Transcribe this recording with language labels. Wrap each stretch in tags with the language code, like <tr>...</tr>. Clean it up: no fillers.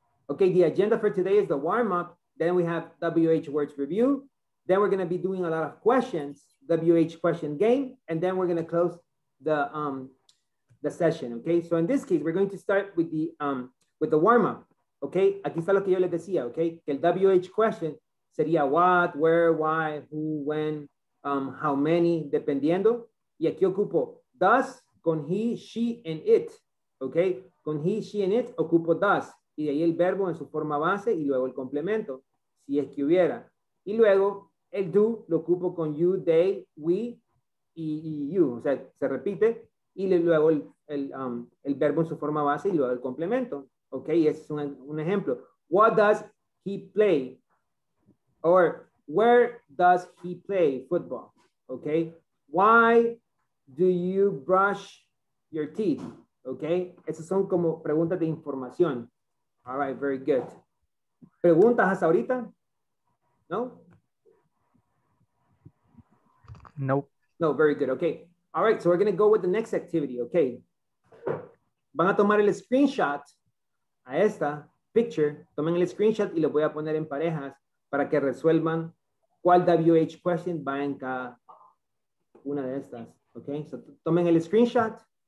<en>Okay, the agenda for today is the warm-up. Then we have WH words review. Then we're gonna be doing a lot of questions, WH question game, and then we're gonna close the session, okay? So in this case, we're going to start with the warm-up, okay?</en> <es>Aquí está lo que yo les decía, okay? Que el WH question sería what, where, why, who, when, how many, dependiendo. Y aquí ocupo does, con</es> <en>he, she, and it,</en> <es>okay? Con</es> <en>he, she, and it,</en> <es>ocupo does. Y de ahí el verbo en su forma base y luego el complemento, si es que hubiera. Y luego el do lo ocupo con</es> <en>you, they, we,</en> <es>y you. O sea, se repite. Y luego el verbo en su forma base y luego el complemento. Okay, ese es un ejemplo.</es> <en>What does he play? Or where does he play football? Okay, why do you brush your teeth?</en> <es>Okay, esas son como preguntas de información.</es> <en>All right, very good.</en> <es>¿Preguntas hasta ahorita? No? No.</es> <en>No, very good, okay. All right, so we're gonna go with the next activity, okay.</en> <es>Van a tomar el screenshot a esta picture, tomen el screenshot y lo voy a poner en parejas para que resuelvan cuál WH question va en cada una de estas.</es> <en>Okay, so</en> <es>tomen el screenshot.</es>